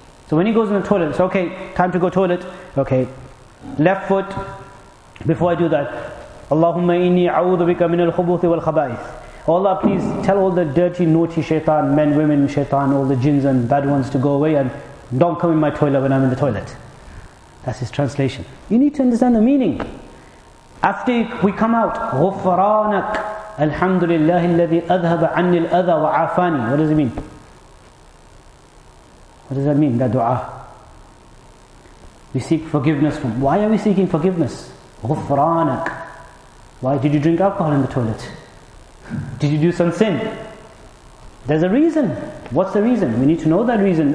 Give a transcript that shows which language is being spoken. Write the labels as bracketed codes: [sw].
[en] So when he goes in the toilet, it's okay, time to go toilet. Okay, left foot, before I do that. [ar] Allahumma inni a'udhu bika min al-khubuthi wal-khaba'ith. [en] Oh Allah, please tell all the dirty, naughty shaitan, men, women, shaitan, all the jinns and bad ones to go away and don't come in my toilet when I'm in the toilet. That's his translation. You need to understand the meaning. After we come out, [ar] غفرانك الحمد لله الذي أذهب عني الأذى وعافاني. [en] What does it mean? What does that mean, that dua? We seek forgiveness from... Why are we seeking forgiveness? [ar] غفرانك. [en] Why did you drink alcohol in the toilet? Did you do some sin? There's a reason. What's the reason? We need to know that reason.